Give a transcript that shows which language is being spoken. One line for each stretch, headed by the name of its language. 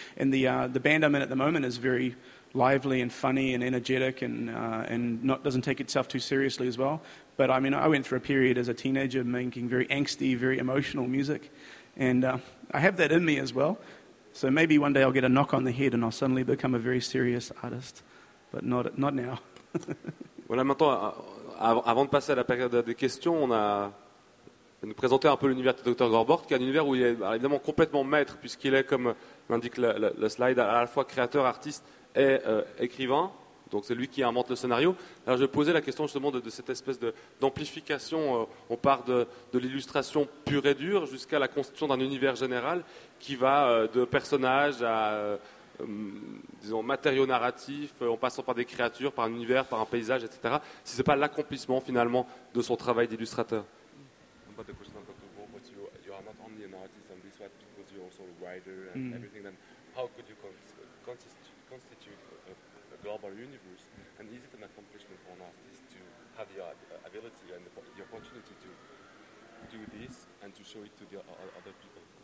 English: And the band I'm in at the moment is very lively and funny and energetic and doesn't take itself too seriously as well. But, I mean, I went through a period as a teenager making very angsty, very emotional music. And I have that in me as well. So maybe one day I'll get a knock on the head and I'll suddenly become a very serious artist. But not now.
French: Voilà, maintenant, avant de passer à la période des questions, on a... nous présenter un peu l'univers de Dr. Gorbort, qui est un univers où il est évidemment complètement maître, puisqu'il est, comme l'indique le slide, à la fois créateur, artiste et écrivain. Donc c'est lui qui invente le scénario. Alors je vais poser la question justement de cette espèce d'amplification. On part de l'illustration pure et dure jusqu'à la construction d'un univers général qui va de personnages à, disons, matériaux narratifs, en passant par des créatures, par un univers, par un paysage, etc. Si ce n'est pas l'accomplissement finalement de son travail d'illustrateur.
English: But the question of Dr. Gorbort, you are not only an artist on this side, because you're also a writer and everything. Then how could you constitute a global universe? And is it an accomplishment for an artist to have the ability and the opportunity to do this and to show it to the other people?